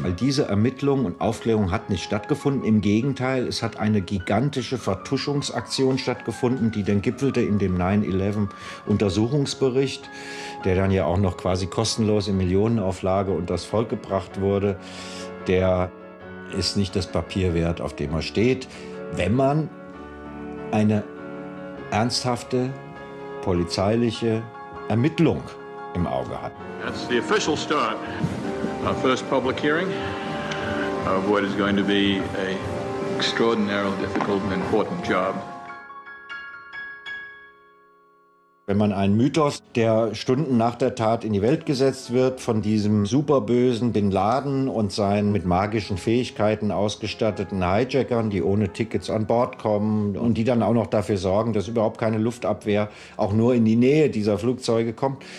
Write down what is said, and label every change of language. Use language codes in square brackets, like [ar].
[de] All diese Ermittlung und Aufklärung hat nicht stattgefunden. Im Gegenteil, es hat eine gigantische Vertuschungsaktion stattgefunden, die dann gipfelte in dem 9/11-Untersuchungsbericht, der dann ja auch noch quasi kostenlos in Millionenauflage unters Volk gebracht wurde. Der ist nicht das Papier wert, auf dem er steht. Wenn man eine ernsthafte polizeiliche Ermittlung im Auge hat. [en] That's the official start. Our first public hearing of what is going to be an extraordinarily difficult and important job. [de] Wenn man einen Mythos, der Stunden nach der Tat in die Welt gesetzt wird, von diesem superbösen Bin Laden und seinen mit magischen Fähigkeiten ausgestatteten Hijackern, die ohne Tickets an Bord kommen und die dann auch noch dafür sorgen, dass überhaupt keine Luftabwehr auch nur in die Nähe dieser Flugzeuge kommt.